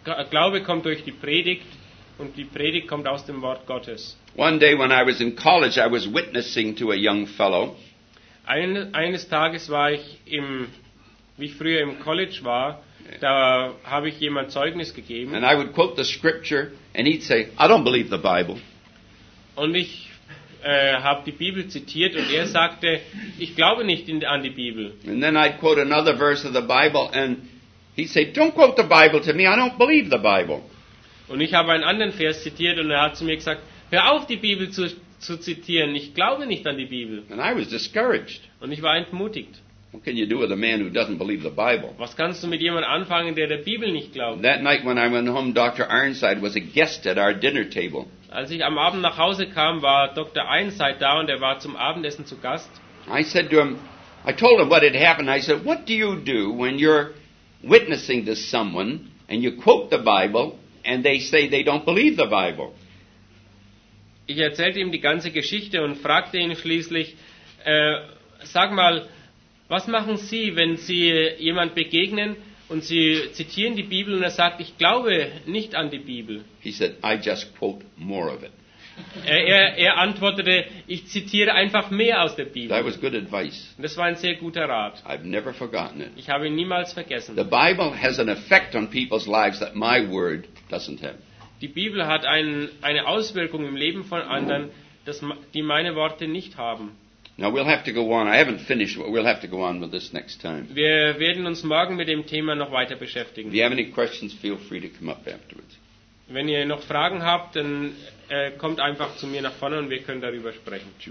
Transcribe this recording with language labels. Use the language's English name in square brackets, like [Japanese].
[German] Glaube kommt durch die Predigt, und die Predigt kommt aus dem Wort Gottes. [English] One day when I was in college, I was witnessing to a young fellow. [German] Eines Tages war ich im, wie ich früher im College war, da habe ich jemand Zeugnis gegeben. [English] And I would quote the scripture, and he'd say, I don't believe the Bible. [German] Und ich habe die Bibel zitiert, und er sagte, ich glaube nicht an die Bibel. [English] And then I'd quote another verse of the Bible, and he'd say, don't quote the Bible to me, I don't believe the Bible. [German] Und ich habe einen anderen Vers zitiert, und er hat zu mir gesagt, hör auf, die Bibel zu zitieren, ich glaube nicht an die Bibel. [English] And I was discouraged. [German] Und ich war entmutigt. [English] What can you do with a man who doesn't believe the Bible? [German] Was kannst du mit jemand anfangen, der Bibel nicht glaubt? [English] That night when I went home, Dr. Ironside was a guest at our dinner table. [German] Als ich am Abend nach Hause kam, war Dr. Ironside da, und er war zum Abendessen zu Gast. [English] I said to him, I told him what had happened. I said, what do you do when you're witnessing to someone and you quote the Bible and they say they don't believe the Bible? [German] Ich erzählte ihm die ganze Geschichte und fragte ihn schließlich, sag mal, was machen Sie, wenn Sie jemand begegnen und Sie zitieren die Bibel und er sagt, ich glaube nicht an die Bibel? [English] He said, I just quote more of it. [German] Er antwortete, ich zitiere einfach mehr aus der Bibel. [English] That was good advice. [German] Das war ein sehr guter Rat. [English] I've never forgotten it. [German] Ich habe ihn niemals vergessen. [English] The Bible has an effect on people's lives that my word doesn't have. [German] Die Bibel hat eine Auswirkung im Leben von anderen, die meine Worte nicht haben. [English] Now we'll have to go on. I haven't finished, but we'll have to go on with this next time. [German] Wir werden uns morgen mit dem Thema noch weiter beschäftigen. [English] If you have any questions, feel free to come up afterwards. [German] Wenn ihr noch Fragen habt, dann kommt einfach zu mir nach vorne und wir können darüber sprechen.